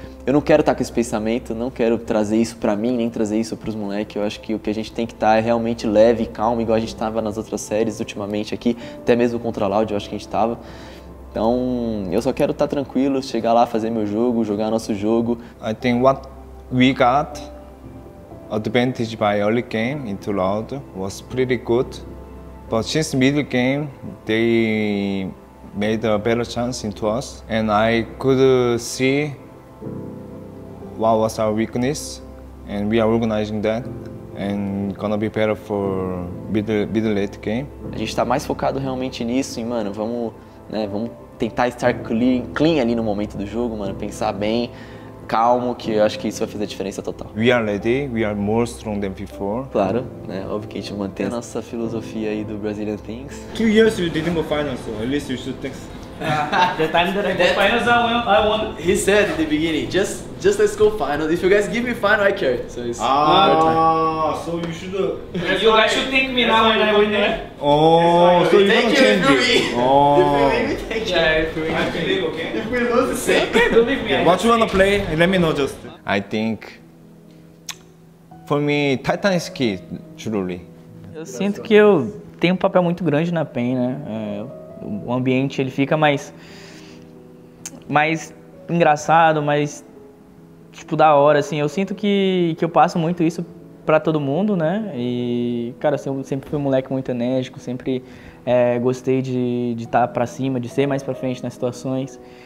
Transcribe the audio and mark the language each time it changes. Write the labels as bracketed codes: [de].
[pt] Eu não quero estar com esse pensamento, não quero trazer isso pra mim, nem trazer isso pros moleques. Eu acho que o que a gente tem que estar é realmente leve e calmo, igual a gente tava nas outras séries ultimamente aqui, até mesmo contra a Loud, eu acho que a gente tava. Então, eu só quero estar tranquilo, chegar lá, fazer meu jogo, jogar nosso jogo. [en] I think what we got advantage by early game into Loud was pretty good. But since middle game, they made a better chance into us. And I could see what was our weakness. And we are organizing that. And gonna be better for middle-late game. [pt] A gente está mais focado realmente nisso e, mano, vamos... Né, vamos tentar estar clean ali no momento do jogo, mano, pensar bem, calmo, que eu acho que isso vai fazer a diferença total. [en] We are ready, we are more strong than before. [pt] Claro, né? Óbvio que a gente mantém a nossa filosofia aí do Brazilian Things. [en] 2 years you didn't go final, so at least you should think. The time that I go finals, I won. He said in the beginning, just let's go final. If you guys give me final, I care. So it's so you should. You guys should thank me now when I win it. So you don't change it. If we lose, it's the same. Okay, believe me. What you wanna play? Let me know just. I think for me, Titan is key, truly. [pt] Eu sinto que eu tenho um papel muito grande na PEN, né? O ambiente ele fica mais engraçado, mais tipo da hora, assim. Eu sinto que eu passo muito isso pra todo mundo, né? E, cara, assim, eu sempre fui um moleque muito enérgico, sempre gostei de estar pra cima, de ser mais pra frente nas situações.